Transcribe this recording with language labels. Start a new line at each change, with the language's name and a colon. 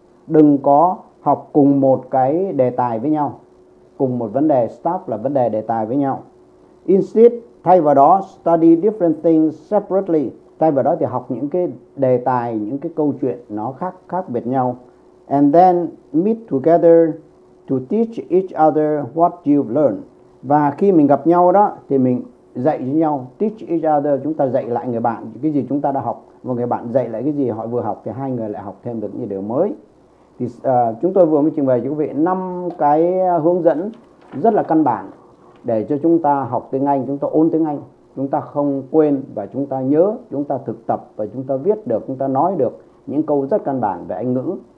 Vietnamese: Đừng có học cùng một cái đề tài với nhau, cùng một vấn đề, stuff là vấn đề đề tài với nhau.
English: Instead,
Vietnamese: thay vào đó,
English: study different things separately.
Vietnamese: Thay vào đó thì học những cái đề tài, những cái câu chuyện nó khác biệt nhau.
English: And then meet together to teach each other what you've learned.
Vietnamese: Và khi mình gặp nhau đó thì mình dạy với nhau,
English: teach each other,
Vietnamese: chúng ta dạy lại người bạn cái gì chúng ta đã học, và người bạn dạy lại cái gì họ vừa học, thì hai người lại học thêm được những điều mới. Thì chúng tôi vừa mới trình bày cho quý vị năm cái hướng dẫn rất là căn bản để cho chúng ta học tiếng Anh, chúng ta ôn tiếng Anh, chúng ta không quên và chúng ta nhớ, chúng ta thực tập và chúng ta viết được, chúng ta nói được những câu rất căn bản về Anh ngữ.